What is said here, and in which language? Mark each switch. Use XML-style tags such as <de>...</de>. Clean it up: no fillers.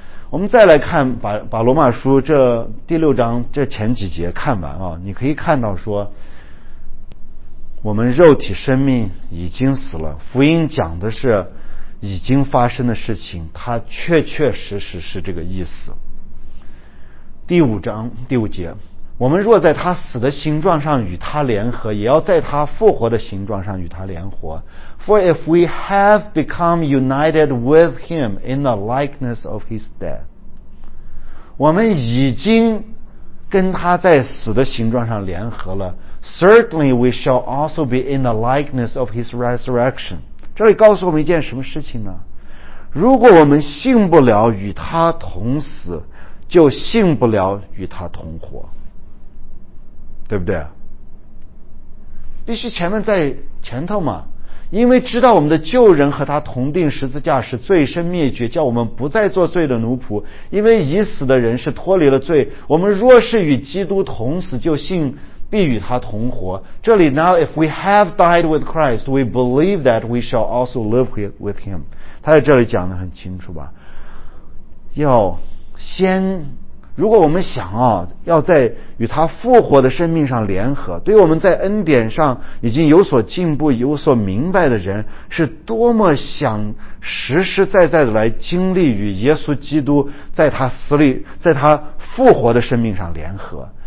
<zh>我们再来看把罗马书这第六章这前几节看完啊，你可以看到说我们肉体生命已经死了，福音讲的是已经发生的事情，它确确实实是这个意思。第五章第五节，我们若在他死的形状上与他联合，也要在他复活的形状上与他联合。</zh> <en>For if we have become united with him in the likeness of his death，</en> <zh>我们已经跟他在死的形状上联合了，</zh> <en>Certainly we shall also be in the likeness of his resurrection。</en> <zh>这里告诉我们一件什么事情呢？如果我们信不了与他同死，就信不了与他同活，对不对？必须前面在前头嘛，因为知道我们的旧人和他同定十字架，使罪身灭绝，叫我们不再做罪的奴仆。因为已死的人是脱离了罪，我们若是与基督同死，就信必与他同活。这里</zh> <en>Now if we have died with Christ we believe that we shall also live with him，</en> <zh>他在这里讲得很清楚吧。要先，如果我们想啊，要在与他复活的生命上联合，对我们在恩典上已经有所进步、有所明白的人，是多么想实实在在的来经历与耶稣基督在他死里、在他复活的生命上联合。</zh>